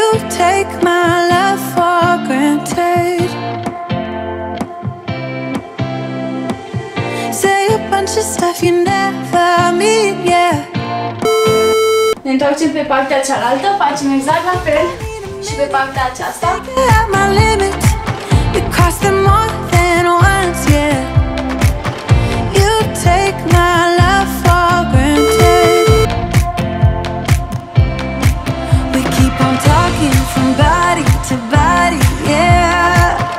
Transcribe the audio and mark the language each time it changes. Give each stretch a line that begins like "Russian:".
English: Take my love for granted. Say a bunch of stuff you never mean, yeah.
Romanian: Ne întoarcem pe partea cealaltă, facem exact la fel și pe partea aceasta.
English: My limit, you cross them more than once, yeah. You take my love for granted. We keep on talking from body to body, yeah.